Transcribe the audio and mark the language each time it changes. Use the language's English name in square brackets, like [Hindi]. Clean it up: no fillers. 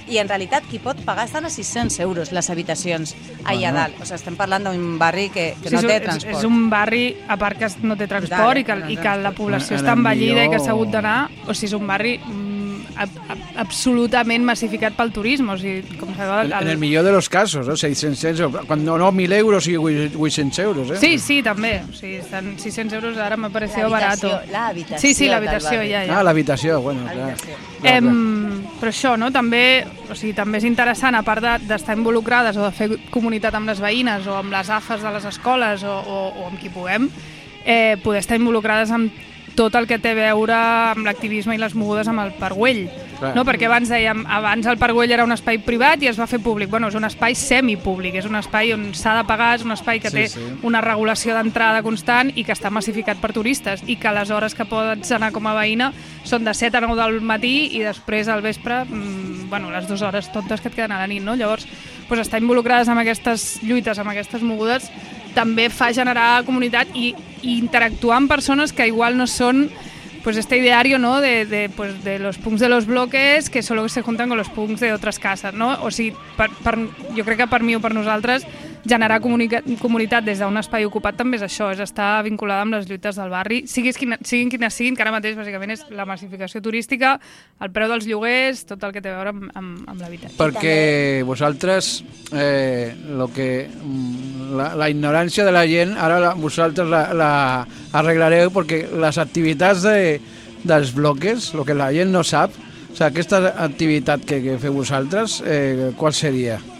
[Catalan] I en realitat qui pot pagar estan a 600 euros les habitacions allà dalt. O sigui, estem parlant d'un barri que no té transport. És un barri, a part que no té transport, i que la població està envellida i que s'ha hagut d'anar, o sigui, és un barri absolutament massificat pel turisme. O sigui, com sabeu, [Spanish] en el millor de los casos, ¿no? [Catalan] 600 euros, quan no, 1.000 euros i 800 euros. Sí, sí, també. O sigui, estan 600 euros ara [Spanish] me pareció barato. [Catalan] L'habitació. Sí, sí, l'habitació, ja. Ah, l'habitació, bueno, clar. Però això, no? També, o sigui, també és interessant, a part d'estar involucrades o de fer comunitat amb les veïnes o amb les AFAs de les escoles o amb qui puguem, poder estar involucrades amb tot el que té a veure amb l'activisme i les mogudes amb el Parc Güell. No, perquè abans dèiem, abans el Parc Güell era un espai privat i es va fer públic. Bueno, és un espai semipúblic, és un espai on s'ha de pagar, és un espai que té una regulació d'entrada constant i que està massificat per turistes, i que les hores que pots anar com a veïna són de 7 a 9 del matí i després al vespre, bueno, les dues hores tontes que et queden a la nit. No? Llavors, pues, estar involucrades amb aquestes lluites, amb aquestes mogudes, també fa generar comunitat i interactuar amb persones que igual no són... [Spanish] Pues este ideario, ¿no? de los punks de los bloques que solo se juntan con los punks de otras casas, ¿no? [Catalan] O sigui, jo crec que per mi o per nosaltres generar comunitat des d'un espai ocupat també és això, és estar vinculada amb les lluites del barri, siguin quines siguin, que ara mateix bàsicament és la massificació turística, el preu dels lloguers, tot el que té a veure amb l'habitatge. Perquè vosaltres, lo que, la ignorància de la gent, ara vosaltres la arreglareu, perquè les activitats dels bloques, el que la gent no sap, o sigui, aquesta activitat que feu vosaltres, qual seria?